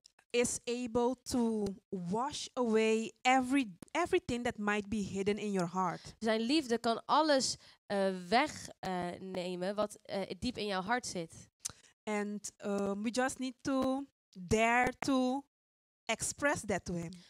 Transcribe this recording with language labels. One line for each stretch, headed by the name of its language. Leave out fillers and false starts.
English: Is able to wash away everything that might be hidden in your heart.
Dutch: Zijn liefde kan alles wegnemen wat diep in jouw hart zit.
English: And we just need to dare to express that to him.